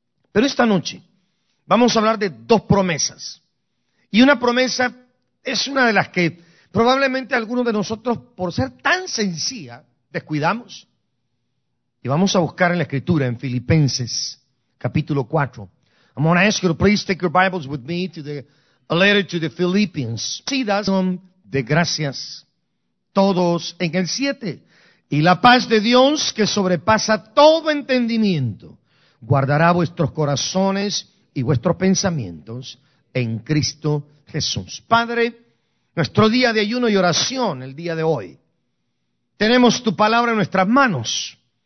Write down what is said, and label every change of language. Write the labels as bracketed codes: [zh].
[es] Pero esta noche vamos a hablar de dos promesas. Y una promesa es una de las que probablemente algunos de nosotros, por ser tan sencilla, descuidamos. Y vamos a buscar en la Escritura, en Filipenses, capítulo 4. [en] I'm going to ask you to please take your Bibles with me to the letter to the Philippians. [es] Si das de gracias todos en el 7. Y la paz de Dios, que sobrepasa todo entendimiento, guardará vuestros corazones y vuestros pensamientos en Cristo Jesús. Padre, nuestro día de ayuno y oración, el día de hoy, tenemos tu palabra en nuestras manos.